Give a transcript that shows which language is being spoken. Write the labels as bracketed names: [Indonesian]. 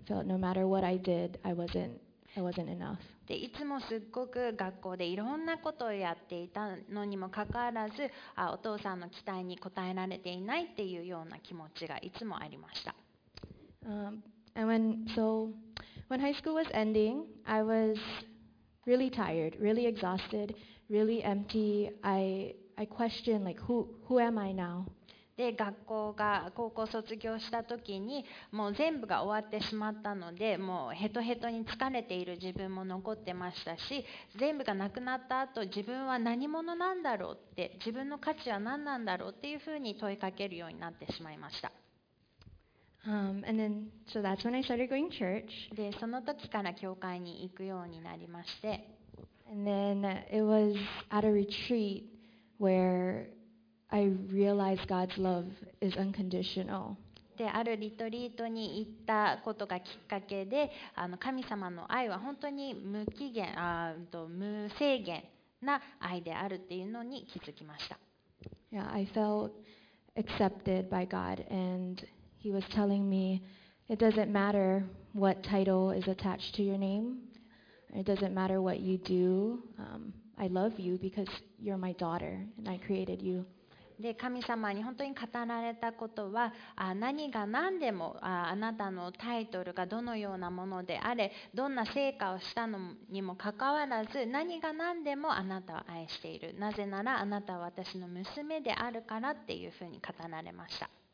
[English] Felt no matter what I did, I wasn't enough. [Japanese] でいつもすっごく学校でいろんなことをやっていたのにもかかわらず、お父さんの期待に応えられていないっていうような気持ちがいつもありました。 [English] And when high school was ending, I was really tired, really exhausted, really empty. I questioned like who am I now? [Japanese] で学校が高校卒業した時にもう全部が終わってしまったのでもうヘトヘトに疲れている自分も残ってましたし全部がなくなった後自分は何者なんだろうって自分の価値は何なんだろうっていうふうに問いかけるようになってしまいました。 [English] And then, so that's when I started going church. [Japanese] でその時から教会に行くようになりまして [English] And then it was at a retreat whereI realized God's love is unconditional. [Japanese] で、あるリトリートに行ったことがきっかけで、神様の愛は本当に無期限、無制限な愛であるっていうのに気づきました。 [English] Yeah, I felt accepted by God, and He was telling me, it doesn't matter what title is attached to your name, it doesn't matter what you do, I love you because you're my daughter, and I created you. [Japanese] で神様に本当に語られたことは何が何でもあなたのタイトルがどのようなものであれどんな成果をしたのにもかかわらず何が何でもあなたを愛しているなぜならあなたは私の娘であるからっていうふうに語られました